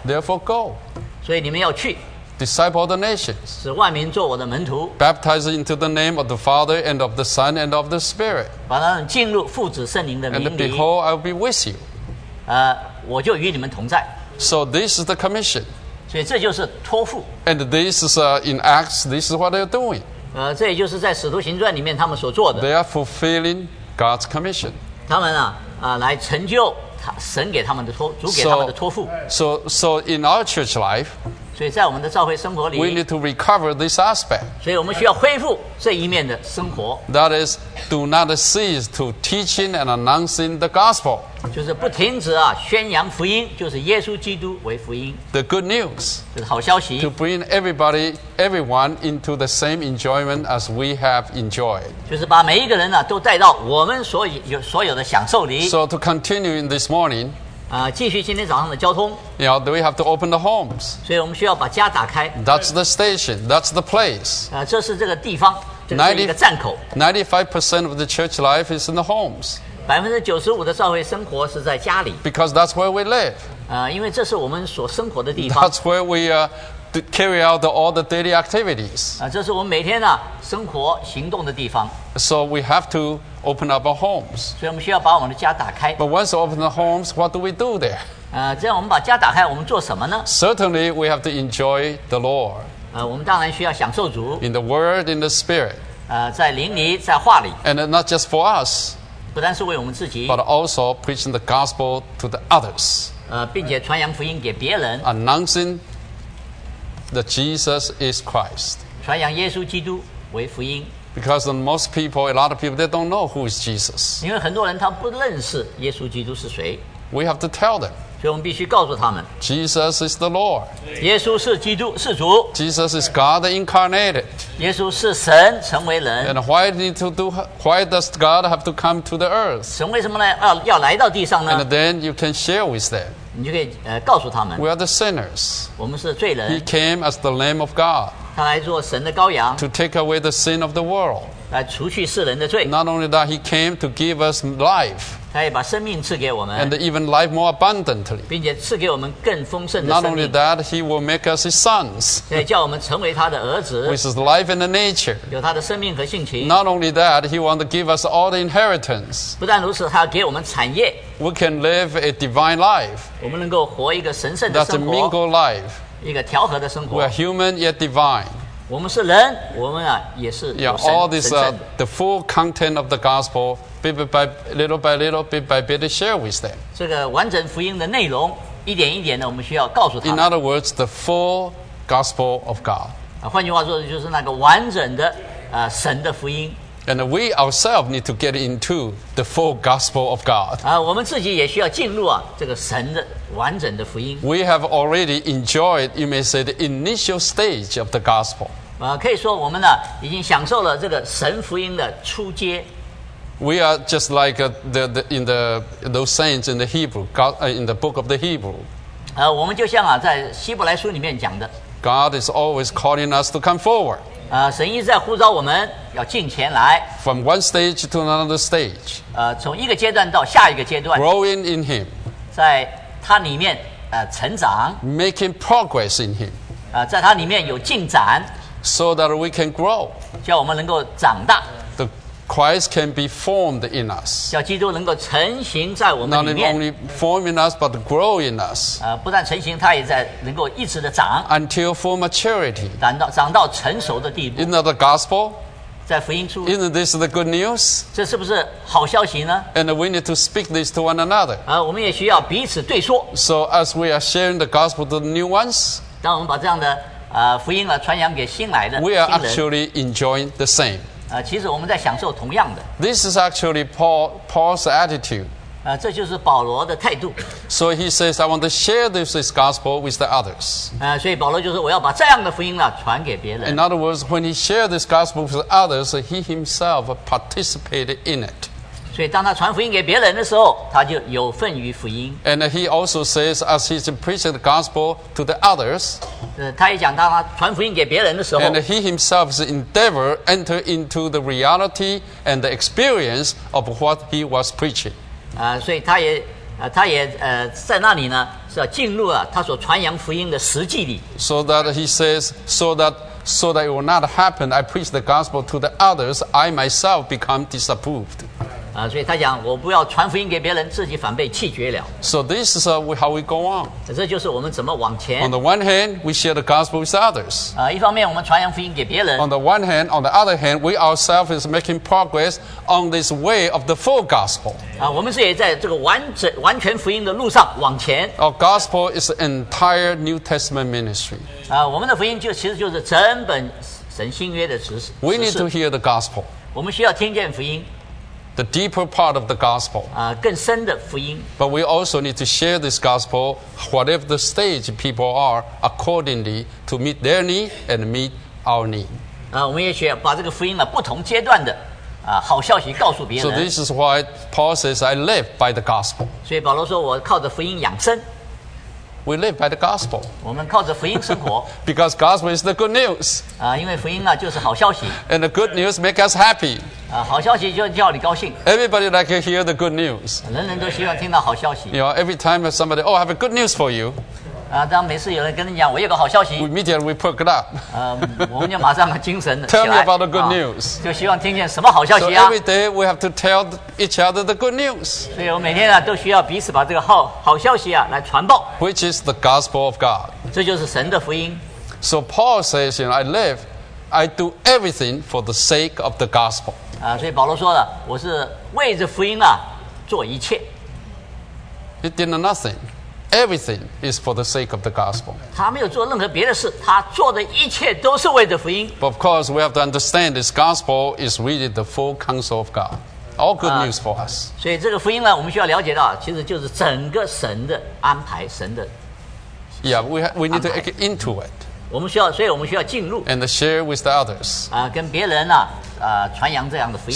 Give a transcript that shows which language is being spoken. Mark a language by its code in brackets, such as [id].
[en] Therefore go. [zh] 所以你们要去。 [en] Disciple the nations. [zh] 使万民做我的门徒。 [en] Baptize into the name of the Father and of the Son and of the Spirit. [zh] 把他们进入父子圣灵的名里。 [en] And behold, I will be with you. [zh] 我就与你们同在。 [en] So this is the commission. [zh] 所以这就是托付。 [en] And this is in Acts, this is what they are doing. [zh] 这也就是在使徒行传里面他们所做的。 [en] They are fulfilling God's commission. [zh] 他们啊, 来成就神给他们的托付。 [en] So in our church life, [zh] 所以在我们的召会生活里, [en] we need to recover this aspect. [zh] 所以我们需要恢复这一面的生活。 [en] That is, do not cease to teaching and announcing the gospel. [zh] 就是不停止啊, 宣扬福音, 就是耶稣基督为福音。 [en] The good news. [zh] 就是好消息, [en] to bring everybody, everyone into the same enjoyment as we have enjoyed. [zh] 就是把每一个人啊, 都带到我们所有的享受里。 [en] So to continue in this morning, [zh] 继续今天早上的交通, [en] you know, we have to open the homes. [zh] 所以我们需要把家打开。 [en] That's the station, that's the place. [zh] 这是这个地方, 这是一个站口。 [en] 95% of the church life is in the homes. [zh] 95%的教会生活是在家里。 [en] Because that's where we live. [zh] 因为这是我们所生活的地方。 [en] That's where we carry out all the daily activities. [zh] 这是我们每天生活行动的地方。 [en] So we have to open up our homes. [zh] 所以我们需要把我们的家打开。 [en] But once we open the homes, what do we do there? [zh] 这样我们把家打开，我们做什么呢 [en] ？Certainly, we have to enjoy the Lord. [zh] 我们当然需要享受主。 [en] In the Word, in the Spirit. [zh] 在灵里，在话里。 [en] And not just for us. [zh] 不单是为我们自己。 [en] But also preaching the gospel to the others. [zh] 并且传扬福音给别人。 [en] Announcing that Jesus is Christ. [zh] 传扬耶稣基督为福音。 [en] Because most people, a lot of people, they don't know who is Jesus. [zh] 因为很多人他不认识耶稣基督是谁。 [en] We have to tell them. [zh] 所以我们必须告诉他们。 [en] Jesus is the Lord. [zh] 耶稣是基督，是主。 [en] Jesus is God incarnated. [zh] 耶稣是神，成为人。 [en] And why does God have to come to the earth? [zh] 神为什么呢？要来到地上呢 [en] ？And then you can share with them. [zh] 你就可以告诉他们。 [en] We are the sinners. [zh] 我们是罪人。 [en] He came as the Lamb of God. [zh] 他来做神的羔羊。 [en] To take away the sin of the world. [zh] 来除去世人的罪。 [en] Not only that, he came to give us life. [zh] 他也把生命赐给我们 [en] ，and even life more abundantly， [zh] 并且赐给我们更丰盛的生命。 [en] Not only that, he will make us his sons， [zh] 对，叫我们成为他的儿子 [en] ，with his life and the nature， [zh] 有他的生命和性情。 [en] Not only that, he wants to give us all the inheritance， [zh] 不但如此，他要给我们产业。 [en] We can live a divine life， [zh] 我们能够活一个神圣的生活 [en] ，that's a mingled life， [zh] 一个调和的生活。 [en] We are human yet divine。 [zh] 我们是人，我们也是有神圣。 [en] Yeah, all this the full content of the gospel, little by little, bit by bit, share with them. [zh] 这个完整福音的内容，一点一点的，我们需要告诉他们。 [en] In other words, the full gospel of God. [zh] 换句话说，就是那个完整的神的福音。 [en] And we ourselves need to get into the full gospel of God. [zh] 我们自己也需要进入这个神的完整的福音。 [en] We have already enjoyed, you may say, the initial stage of the gospel. [zh] 可以说我们已经享受了这个神福音的初阶。 [en] We are just like those saints in the Hebrew, God, in the book of the Hebrew. [zh] 我们就像在希伯来书里面讲的。 [en] God is always calling us to come forward. [zh] 神一直在呼召我们要进前来。 [en] From one stage to another stage. [zh] 从一个阶段到下一个阶段。 [en] Growing in Him. [zh] 在他里面成长。 [en] Making progress in Him. [zh] 在他里面有进展。 [en] So that we can grow. [zh] 叫我们能够长大。 [en] The Christ can be formed in us. [zh] 叫基督能够成形在我们里面。 [en] Not only forming us, but growing us. [zh] 不但成形，他也在能够一直的长。 [en] Until full maturity. [zh] 长到成熟的地步。 [en] Isn't that the gospel? [zh] 在福音书。 [en] Isn't this the good news? [zh] 这是不是好消息呢？ [en] And we need to speak this to one another. [zh] 我们也需要彼此对说。 [en] So as we are sharing the gospel to the new ones. [zh] 当我们把这样的福音传扬给新来的新人。 [en] We are actually enjoying the same. [zh] 其实我们在享受同样的。 [en] This is actually Paul's attitude. [zh] 这就是保罗的态度。 [en] So he says, I want to share this gospel with the others. [zh] 所以保罗就说我要把这样的福音传给别人。 [en] In other words, when he shared this gospel with others, he himself participated in it. [zh] 所以当他传福音给别人的时候，他就有份于福音。 [en] And he also says, as he's preaching the gospel to the others. [zh] 他也讲到他传福音给别人的时候 [en] ，and he himself endeavor enter into the reality and the experience of what he was preaching。 [zh] 所以他也在那里呢，是要进入他所传扬福音的实际里。 [en] So that he says, so that it will not happen. I preach the gospel to the others. I myself become disapproved。 [zh] 所以他讲我不要传福音给别人，自己反被弃绝了。 [en] So this is how we go on. [zh] 这就是我们怎么往前。 [en] On the one hand, we share the gospel with others. [zh] 一方面我们传扬福音给别人。 [en] On the one hand, on the other hand, we ourselves is making progress on this way of the full gospel. [zh] 我们是也在这个完全福音的路上往前。 [en] Our gospel is an entire New Testament ministry. [zh] 我们的福音其实就是整本神新约的指示。 [en] We need to hear the gospel. [zh] 我们需要听见福音。 [en] The deeper part of the gospel. [zh] 更深的福音。 [en] But we also need to share this gospel, whatever the stage people are, accordingly to meet their need and meet our need. [zh] 我们也需要把这个福音不同阶段的好消息告诉别人。 [en] So this is why Paul says, "I live by the gospel." [zh] 所以保罗说我靠着福音养生。 [en] We live by the gospel. [zh] 我们靠着福音生活。 [en] Because gospel is the good news. [zh] 因为福音呢就是好消息。 [en] And the good news makes us happy. [zh] 好消息就叫你高兴。 [en] Everybody like to hear the good news. [zh] 人人都希望听到好消息。 [en] You know, every time somebody, oh, I have a good news for you. [zh] 当每次有人跟你讲，我有个好消息。 [en] Immediately we perk up. [zh] 我们就马上精神起来。 [en] Tell me about the good news. [zh] 就希望听见什么好消息啊。 [en] So every day we have to tell each other the good news. [zh] 所以我每天呢都需要彼此把这个好消息啊来传报。 [en] Which is the gospel of God. [zh] 这就是神的福音。 [en] So Paul says, you know, I live, I do everything for the sake of the gospel. [zh] 所以保罗说了，我是为着福音啊做一切。 [en] He did nothing. Everything is for the sake of the gospel. [zh] 他没有做任何别的事，他做的一切都是为着福音。 [en] But of course, we have to understand this gospel is really the full counsel of God. All good news for us. [zh] 所以这个福音呢，我们需要了解到，其实就是整个神的安排，神的。 [en] Yeah, we need to get into it. [zh] 我们需要，所以我们需要进入。 [en] And share with the others. [zh] 跟别人传扬这样的福音。